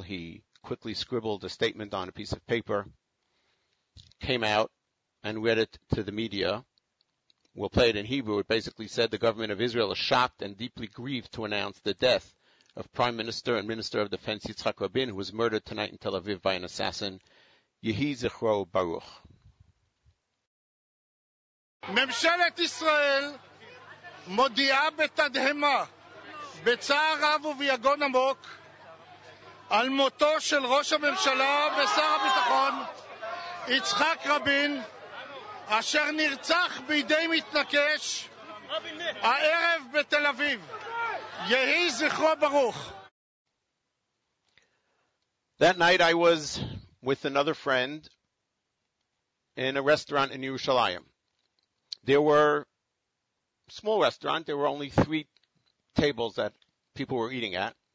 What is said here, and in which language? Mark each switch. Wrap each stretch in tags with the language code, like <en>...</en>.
<en>He quickly scribbled a statement on a piece of paper, came out, and read it to the media. We'll play it in Hebrew. It basically said, the government of Israel is shocked and deeply grieved to announce the death of Prime Minister and Minister of Defense Yitzhak Rabin, who was murdered tonight in Tel Aviv by an assassin.</en> <he>Yehi Zichro Baruch. ממשלת ישראל מודיעה בתדהמה, בצער רב וביגון עמוק, על מותו של ראש הממשלה ושר הביטחון יצחק רבין, אשר נרצח בידי מתנקש הערב בתל אביב. יהי זכרו ברוך.</he> <en>That night I was with another friend in a restaurant in Yerushalayim. There were small restaurant. There were only three tables that people were eating at.</en>